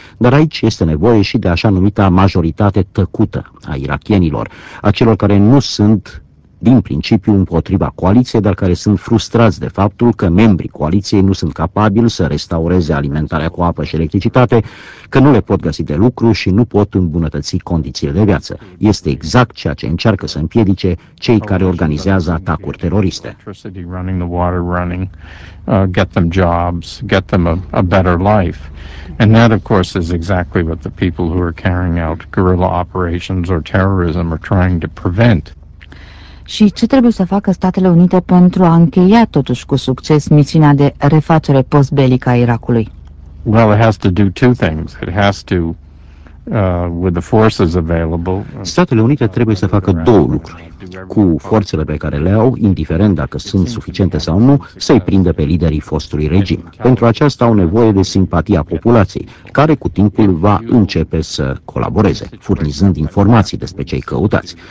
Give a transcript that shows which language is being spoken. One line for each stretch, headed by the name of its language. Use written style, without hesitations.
Romanian: Dar aici este nevoie și de așa numita majoritate tăcută a irachienilor, a celor care nu sunt din principiu împotriva coaliției, dar care sunt frustrați de faptul că membrii coaliției nu sunt capabili să restaureze alimentarea cu apă și electricitate, că nu le pot găsi de lucru și nu pot îmbunătăți condițiile de viață. Este exact ceea ce încearcă să împiedice cei care organizează atacuri teroriste.
English: Get them jobs, get them a better life. And that, of course, is exactly what the people who are carrying out guerrilla operations or terrorism are trying to prevent.
Romanian: Și ce trebuie să facă Statele Unite pentru a încheia totuși cu succes misiunea de refacere postbelică a Irakului?
English: Well, it has to do two things. It has to with the forces available.
Romanian: Statele Unite trebuie să facă două lucruri. Cu forțele pe care le au, indiferent dacă sunt suficiente sau nu, să-i prindă pe liderii fostului regim. Pentru aceasta au nevoie de simpatia populației, care cu timpul va începe să colaboreze, furnizând informații despre cei căutați.